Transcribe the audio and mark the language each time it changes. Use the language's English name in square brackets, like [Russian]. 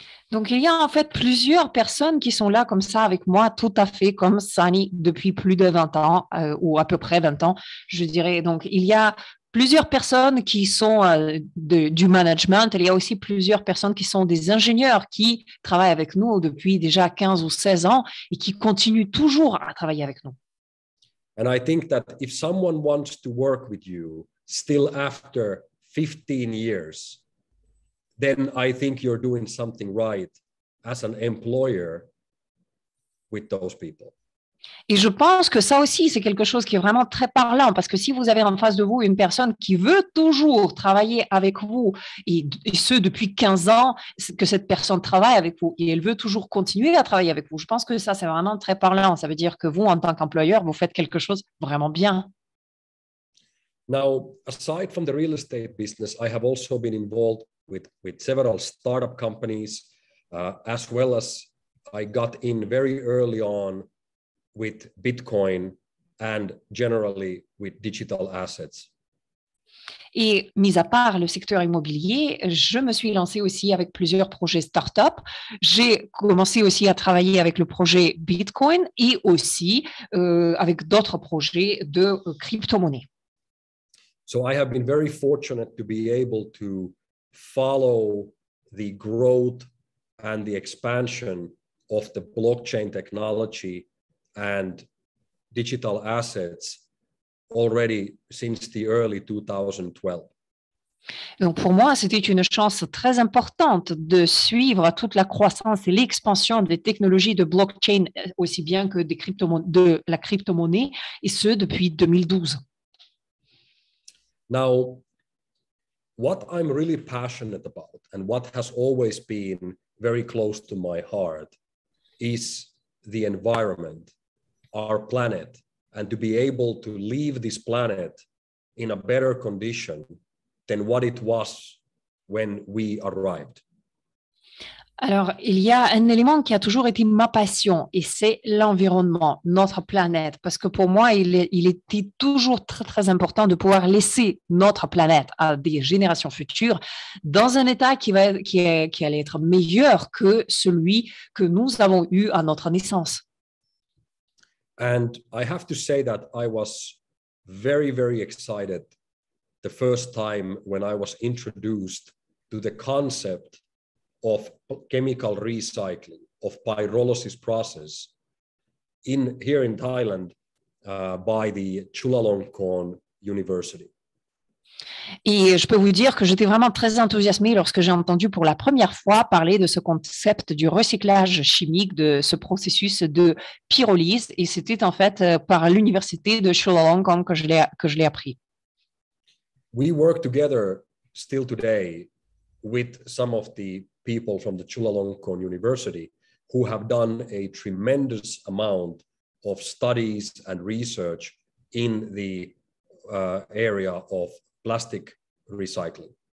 [French] Donc, il y a en fait plusieurs personnes qui sont là comme ça avec moi, tout à fait comme Sunny, depuis plus de 20 ans, ou à peu près 20 ans, je dirais. Donc, il y a plusieurs personnes qui sont du management. Il y a aussi plusieurs personnes qui sont des ingénieurs qui travaillent avec nous depuis déjà 15 ou 16 ans et qui continuent toujours à travailler avec nous. [English] And I think that if someone wants to work with you still after 15 years, then I think you're doing something right as an employer with those people. [French] Et je pense que ça aussi, c'est quelque chose qui est vraiment très parlant, parce que si vous avez en face de vous une personne qui veut toujours travailler avec vous, et ce depuis 15 ans que cette personne travaille avec vous, et elle veut toujours continuer à travailler avec vous, je pense que ça, c'est vraiment très parlant. Ça veut dire que vous, en tant qu'employeur, vous faites quelque chose vraiment bien. [English] Now, aside from the real estate business, I have also been involved with several startup companies, as well as I got in very early on with Bitcoin and generally with digital assets. [French] Et mis à part le secteur immobilier, je me suis lancé aussi avec plusieurs projets start-up. J'ai commencé aussi à travailler avec le projet Bitcoin et aussi avec d'autres projets de crypto-monnaie. [English] So I have been very fortunate to be able to follow the growth and the expansion of the blockchain technology and digital assets already since the early 2012. [French] Donc pour moi, c'était une chance très importante de suivre toute la croissance et l'expansion des technologies de blockchain aussi bien que des de la crypto-monnaie, et ce depuis 2012. [English] Now, what I'm really passionate about and what has always been very close to my heart is the environment, our planet, and to be able to leave this planet in a better condition than what it was when we arrived. [French] Alors, il y a un élément qui a toujours été ma passion, et c'est l'environnement, notre planète, parce que pour moi, il était toujours très, très important de pouvoir laisser notre planète à des générations futures dans un état qui allait être meilleur que celui que nous avons eu à notre naissance. [English] And I have to say that I was very, very excited the first time when I was introduced to the concept of chemical recycling, of pyrolysis process here in Thailand by the Chulalongkorn University. [French] Et je peux vous dire que j'étais vraiment très enthousiasmé lorsque j'ai entendu pour la première fois parler de ce concept du recyclage chimique, de ce processus de pyrolyse, et c'était en fait par l'université de Chulalongkorn que je l'ai appris. [English] We work together still today with some of the people from the Chulalongkorn University who have done a tremendous amount of studies and research in the area of plastic recycling.